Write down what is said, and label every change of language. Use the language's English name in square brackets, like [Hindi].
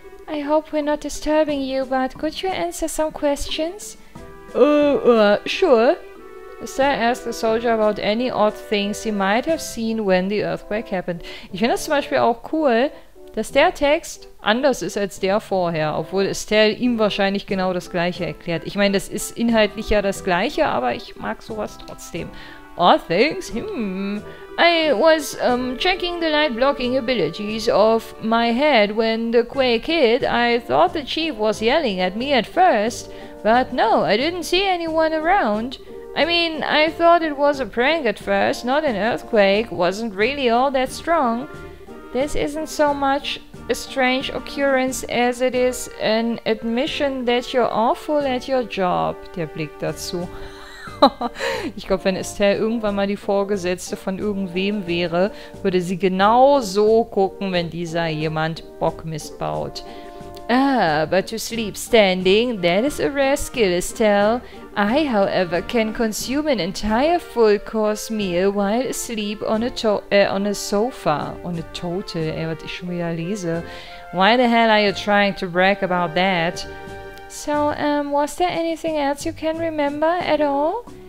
[English] I hope we're not disturbing you, but could you answer some questions? Sure. Sir asked the soldier about any odd things he might have seen when the earthquake happened. [German] Ich finde das zum Beispiel auch cool, dass der Text anders ist als der vorher, obwohl Estelle ihm wahrscheinlich genau das Gleiche erklärt. Ich meine, das ist inhaltlich ja das Gleiche, aber ich mag sowas trotzdem. [English] Oh, thanks. I was checking the light-blocking abilities of my head when the quake hit. I thought the chief was yelling at me at first, but no, I didn't see anyone around. I mean, I thought it was a prank at first, not an earthquake, wasn't really all that strong. This isn't so much a strange occurrence as it is an admission that you're awful at your job. [German] Der Blick dazu. Ich glaube, wenn Estelle irgendwann mal die Vorgesetzte von irgendwem wäre, würde sie genau so gucken, wenn dieser jemand Bockmist baut. [English] Ah, but to sleep standing, that is a rare skill, Estelle. I, however, can consume an entire full course meal while asleep on a sofa. [German] On a total, was ich schon wieder lese. [English] Why the hell are you trying to brag about that? [German] So, was there anything else you can remember at all?